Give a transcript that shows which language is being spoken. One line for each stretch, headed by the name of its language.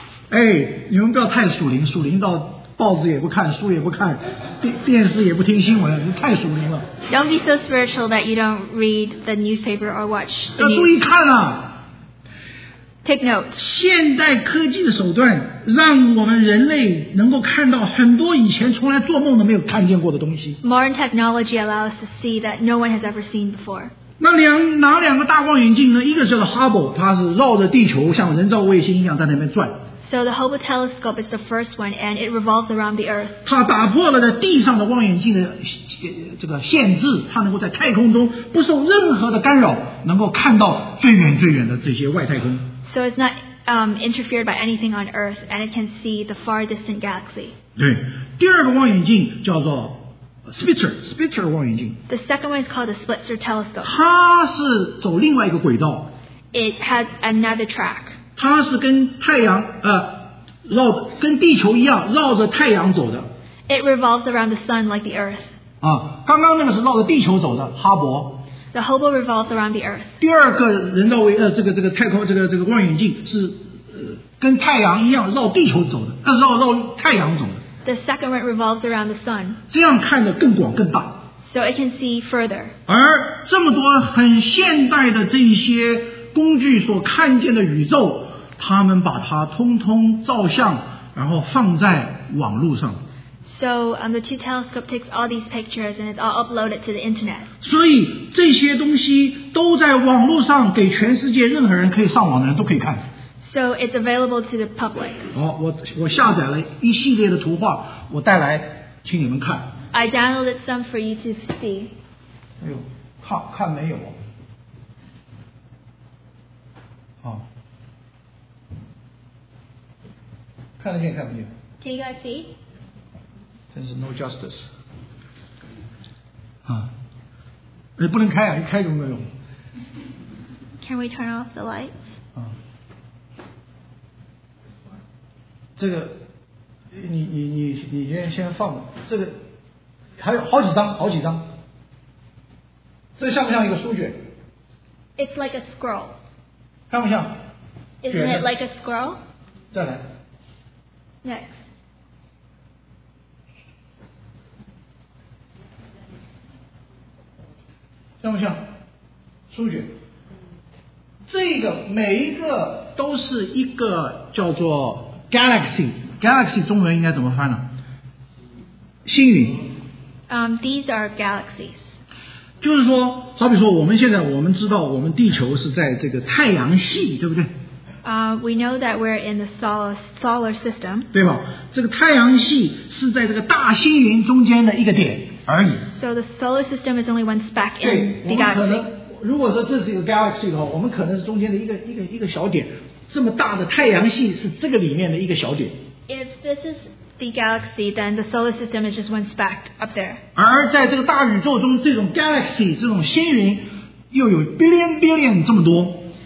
Chinese: 哎，你们不要太属灵，属灵到报纸也不看，书也不看，电视也不听新闻，太属灵了。
English: Don't be so spiritual that you don't read the newspaper or watch.
Chinese: 要注意看啊。
English: Take note.
Chinese: 现代科技的手段让我们人类能够看到很多以前从来做梦都没有看见过的东西。
English: Modern technology allows us to see that no one has ever seen before.
Chinese: 哪两个大望远镜呢？一个叫做 Hubble， 它是绕着地球像人造卫星一样在那边转。
English: So the Hubble telescope is the first one, and it revolves around the Earth.
Chinese: 它打破了在地上的望远镜的这个限制，它能够在太空中不受任何的干扰，能够看到最远最远的这些外太空。
English: So it's not interfered by anything on earth, and it can see the far distant galaxy.
Chinese: 对，第二个望远镜叫做 Spitzer 望远镜。
English: The second one is called the Spitzer telescope.
Chinese: 它是走另外一个轨道。
English: It has another track.
Chinese: 它是跟太阳绕跟地球一样绕着太阳走的。
English: It revolves around the sun like the Earth.
Chinese: 啊，刚刚那个是绕着地球走的，哈勃。
English: The Hubble revolves around the Earth.
Chinese: 第二个人造卫这个太空这个望远镜是跟太阳一样绕地球走的，绕太阳走的。
English: The second one revolves around the sun.
Chinese: 这样看得更广更大。
English: So it can see further.
Chinese: 而这么多很现代的这些工具所看见的宇宙，他们把它通通照相，然后放在网络上。
English: So the two telescope takes all these pictures and it's all uploaded to the internet.
Chinese: 所以这些东西都在网络上给全世界任何人可以上网的人都可以看。
English: So it's available to the public.
Chinese: 我下载了一系列的图画，我带来请你们看。
English: I downloaded some for you to see.
Chinese: 哎呦，看没有？看得见看不见
English: ？Can you guys see?
Chinese: 真是
English: no justice
Chinese: 啊！不能开啊，一开就没有用。
English: Can we turn off the lights？
Chinese: 这个，你先放这个，还有好几张。这像不像一个书卷
English: ？It's like a scroll。
Chinese: 像不像
English: ？Isn't it like a scroll？
Chinese: 再来。
English: Next。
Chinese: 像不像数据？这个每一个都是一个叫做 galaxy， 中文应该怎么翻呢？星云。
English: These are galaxies。
Chinese: 就是说，好比说，我们现在我们知道，我们地球是在这个太阳系，对不对？
English: We know that we're in the solar system。
Chinese: 对吧？这个太阳系是在这个大星云中间的一个点。
English: So the solar system is only one speck in the galaxy.
Chinese: 对，我们可能，如果说这是一个 galaxy 的话，我们可能是中间的一个小点。这么大的太阳系是这个里面的一个小点。
English: If this is the galaxy, then the solar system is just one speck up there.
Chinese: 而在这个大宇宙中，这种 galaxy 这种星云又有
English: billion billion
Chinese: 这么多。